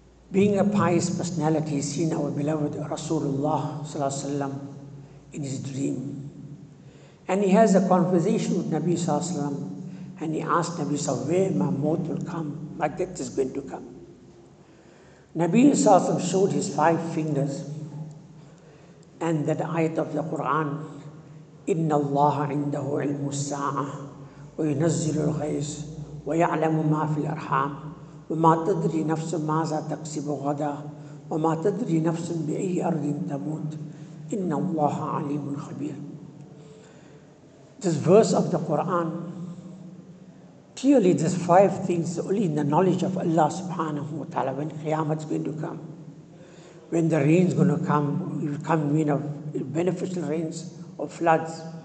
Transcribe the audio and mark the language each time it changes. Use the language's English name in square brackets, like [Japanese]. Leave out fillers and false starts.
[English] Being a pious personality, seen our beloved Rasulullah Sallallahu Alaihi Wasallam in his dream. And he has a conversation with Nabi Sallallahu Alaihi Wasallam and he asked Nabi Sallallahu Alaihi Wasallam, where my mouth will come, my death is going to come. Nabi Sallallahu Alaihi Wasallam showed his 5 fingers and that ayat of the Quran, [Arabic] إِنَّ اللَّهَ عِنْدَهُ عِلْمُ السَّاعَةِ وَيُنَزِّلُ الْغَيْثِ وَيَعْلَمُ مَا فِي الْأَرْحَامِ وَمَا تَدْرِي نَفْسٌ مَاذَا تَكْسِبُ غَدًا وَمَا تَدْرِي نَفْسٌ بِأَيِّ أَرْضٍ تَمُوتُ إِنَّ اللَّهَ عَلِيمٌ خَبِيرٌ. [English] This verse of the Quran, clearly there's 5 things only in the knowledge of Allah subhanahu wa ta'ala, when Qiyamah is going to come, when the rain is going to come, it will come in of beneficial rains or floods.